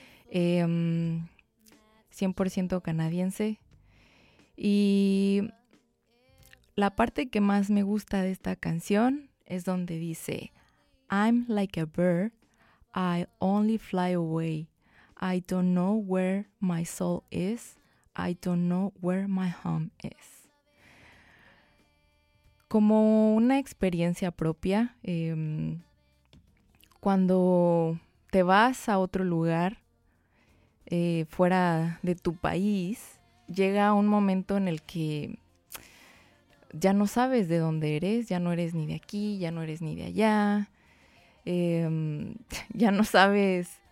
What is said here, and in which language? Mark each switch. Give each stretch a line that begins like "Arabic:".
Spanish: 100% canadiense. Y la parte que más me gusta de esta canción es donde dice
English: I'm like a bird, I only fly away. I don't know where my soul is, I don't know where my home is.
Spanish: Como una experiencia propia, cuando te vas a otro lugar fuera de tu país, llega un momento en el que ya no sabes de dónde eres, ya no eres ni de aquí, ya no eres ni de allá, ya no sabes